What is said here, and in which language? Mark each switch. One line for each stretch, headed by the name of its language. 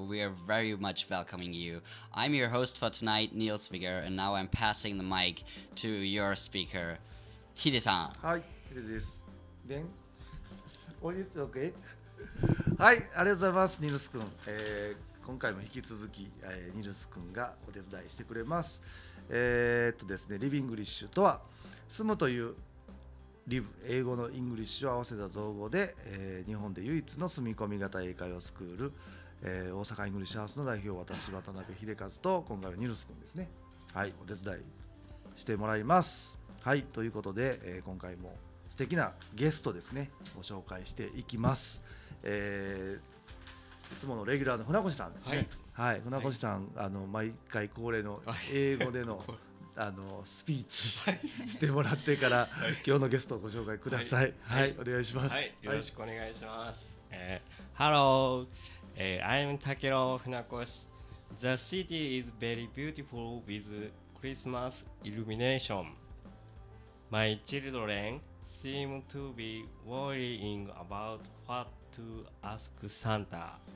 English: We are very much welcoming you. I'm your host for tonight, Niels Wigger, and now I'm passing the mic to your speaker, Hide-san.
Japanese: Hi, Hide です。でん。おいつ、OK? はい、ありがとうございます、ニルス君。今回も引き続き、ニルス君がお手伝いしてくれます。ですね、リビングリッシュとは、住むというリブ英語のイングリッシュを合わせた造語で、日本で唯一の住み込み型英会話スクール、大阪イングリッシュハウスの代表私渡辺秀和と今回はニルス君ですね、はい、お手伝いしてもらいます。はい、ということで、今回も素敵なゲストですねご紹介していきます。いつものレギュラーの船越さんですね、はいはい、船越さん、はい、毎回恒例の英語でのスピーチしてもらってから、はい、今日のゲストをご紹介ください。はい、はいはい、お願いします、はい。よろしくお願いします。
English: ハロー、I'm Takeru Funakoshi. The city is very beautiful with Christmas illumination. My children seem to be worrying about what to ask Santa.